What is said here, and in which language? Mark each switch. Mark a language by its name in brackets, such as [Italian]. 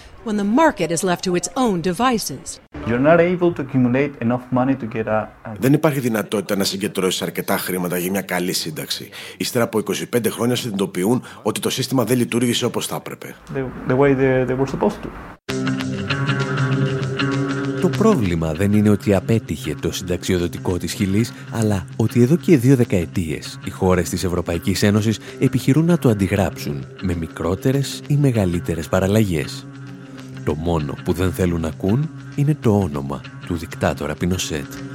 [English] When the market is left to its own devices. You're not able to accumulate enough money to get a... [Greek] Δεν υπάρχει δυνατότητα να συγκεντρώσεις αρκετά χρήματα για μια καλή σύνταξη. Ύστερα από 25 χρόνια συνειδητοποιούν ότι το σύστημα δεν λειτουργήσε όπως θα έπρεπε. [English] The way they were supposed to. [Greek] Το πρόβλημα δεν είναι ότι απέτυχε το συνταξιοδοτικό της Χιλής, αλλά ότι εδώ και δύο δεκαετίες οι χώρες της Ευρωπαϊκής Ένωσης επιχειρούν να το αντιγράψουν με μικρότερες ή μεγαλύτερες παραλλαγές. Το μόνο που δεν θέλουν να ακούν είναι το όνομα του δικτάτορα Πινοσέτ.